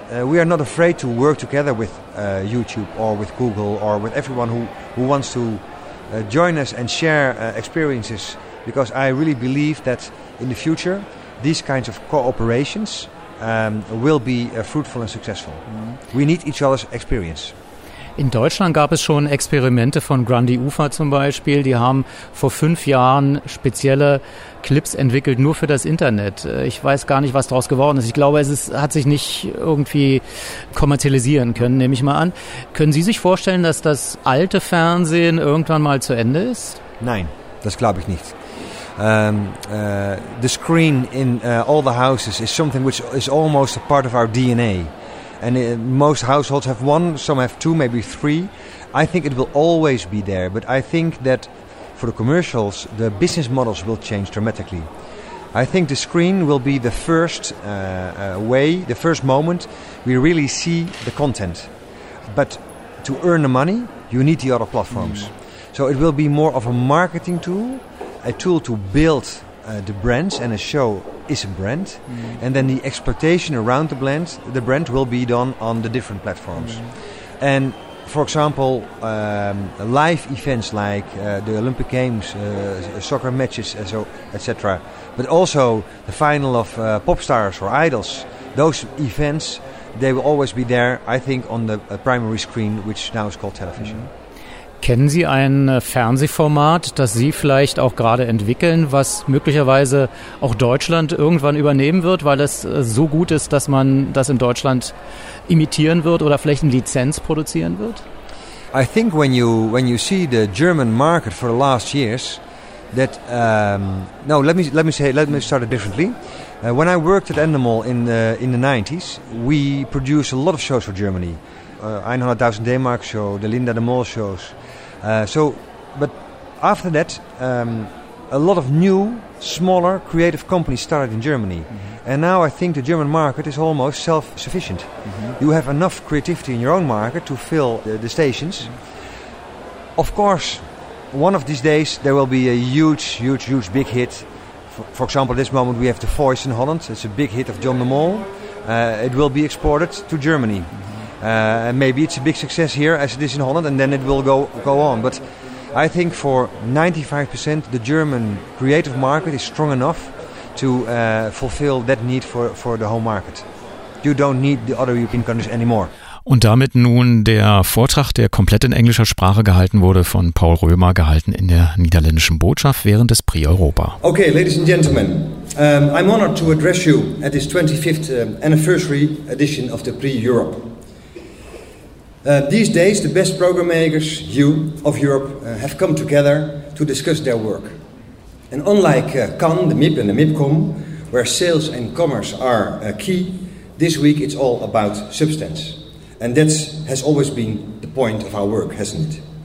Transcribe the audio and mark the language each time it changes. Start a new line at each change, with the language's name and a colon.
English: We are not afraid to work together with YouTube or with Google or with everyone who wants to join us and share experiences. Because I really believe that in the future, these kinds of cooperations will be fruitful and successful. We need each other's experience.
German: In Deutschland gab es schon Experimente von Grundy Ufa zum Beispiel. Die haben vor 5 Jahren spezielle Clips entwickelt, nur für das Internet. Ich weiß gar nicht, was daraus geworden ist. Ich glaube, hat sich nicht irgendwie kommerzialisieren können, nehme ich mal an. Können Sie sich vorstellen, dass das alte Fernsehen irgendwann mal zu Ende ist? Nein, das glaube ich nicht.
English: The screen in all the houses is something which is almost a part of our DNA. And most households have one, some have 2, maybe 3. I think it will always be there. But I think that for the commercials, the business models will change dramatically. I think the screen will be the first way, the first moment we really see the content. But to earn the money, you need the other platforms. So it will be more of a marketing tool, a tool to build the brands, and a show is a brand. And then the exploitation around the brand will be done on the different platforms. And for example, live events like the Olympic Games, soccer matches, etc., but also the final of pop stars or idols, those events, they will always be there, I think, on the primary screen, which now is called television.
German: Kennen Sie ein Fernsehformat, das Sie vielleicht auch gerade entwickeln, was möglicherweise auch Deutschland irgendwann übernehmen wird, weil es so gut ist, dass man das in Deutschland imitieren wird oder vielleicht eine Lizenz produzieren wird?
English: I think when you see the German market for the last years, that let me start it differently. When I worked at Endemol in the 90s, we produced a lot of shows for Germany. 100.000 D-Mark show, the Linda de Mol shows. But after that, a lot of new, smaller, creative companies started in Germany. Mm-hmm. And now I think the German market is almost self-sufficient. Mm-hmm. You have enough creativity in your own market to fill the stations. Mm-hmm. Of course, one of these days, there will be a huge, huge, huge big hit. For example, this moment we have The Voice in Holland. It's a big hit of John de Mol. It will be exported to Germany. Mm-hmm. Maybe it's a big success here as it is in Holland, and then it will go on. But I think for 95% the German creative market is strong enough to fulfill that need for the home market. You don't need the other European countries anymore.
German: Und damit nun der Vortrag, der komplett in englischer Sprache gehalten wurde, von Paul Römer, gehalten in der niederländischen Botschaft während des Prix Europa.
English: Okay, ladies and gentlemen, I'm honored to address you at this 25th anniversary edition of the Prix Europe. These days, the best program makers, you, of Europe, have come together to discuss their work. And unlike Cannes, the MIP and the MIPCOM, where sales and commerce are key, this week it's all about substance. And that has always been the point of our work, hasn't it?